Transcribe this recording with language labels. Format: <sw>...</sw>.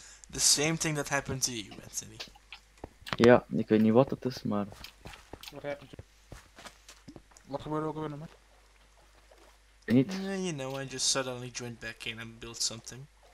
<en>The same thing that happened to you, Anthony.</en> <nl>Ja, ik weet niet wat het is, maar... Wat gebeurde ook alweer met? Niet.</nl> <en>You know, I just suddenly joined back in and built something.</en>